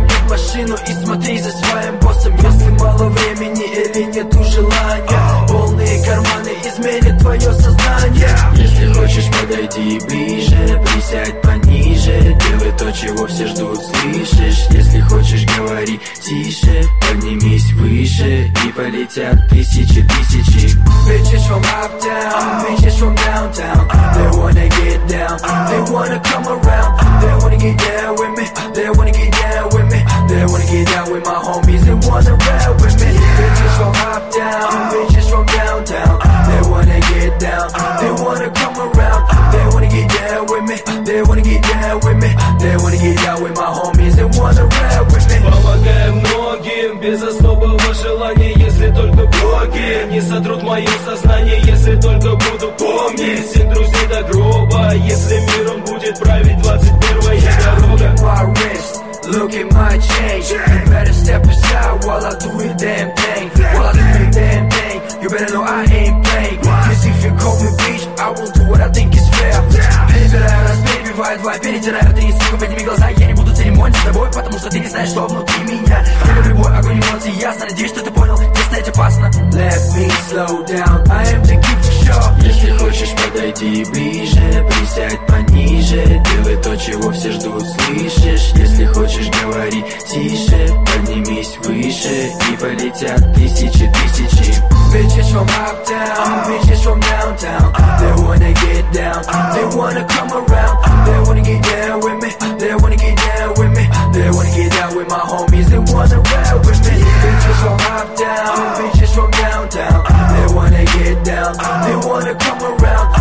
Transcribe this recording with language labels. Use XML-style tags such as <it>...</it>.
<ru>Машину и смотри за своим боссом. Если мало времени или нету желания, полные карманы изменят твое сознание. Если хочешь, подойди ближе, присядь пониже. Делай то, чего все ждут, слышишь? Если хочешь, говори тише. Поднимись выше и полетят тысячи, тысячи.</ru> <en>Bitches from uptown, bitches from downtown. They wanna get down, they wanna come around. They wanna get down with me, they wanna get down with me. They wanna get down with my homies, they wanna ride with me. Bitches from uptown, bitches from downtown. They wanna get down, they wanna come around. They wanna get down with me, they wanna get down with me. They wanna get down with my homies, they wanna ride with me.</en> <ru>Помогаем многим без особого желания, если только боги не сотрут мое сознание, если только буду помнить всех друзей до гроба, если миром будет править 21-я дорога.</ru> <en>Look at my chain. You better step aside while I do a damn thing. While I do a damn thing, you better know I ain't playing. Cause if you call me bitch, I will do what I think is fair.</en> <ru>Перебираю раз, перебиваю два, перетираю три, сука, подними глаза. Я не буду церемонить с тобой, потому что ты не знаешь, что внутри меня. Я люблю мой огонь эмоций, ясно, надеюсь, что ты понял, где стоять опасно.</ru> <en>Let me slow down, I am the king for sure.</en> <ru>Если хочешь, подойди ближе, присядь пониже. Делай то, чего все ждут, слышишь? Если хочешь, говори тише. Поднимись выше и полетят тысячи, тысячи.</ru> <en>Bitches from uptown, bitches from downtown. They wanna get down, they wanna come around. They wanna get down with me, they wanna get down with me. They wanna get down with my homies, they wanna ride with me. Bitches from uptown, bitches from downtown. They wanna get down, they wanna come around.</en>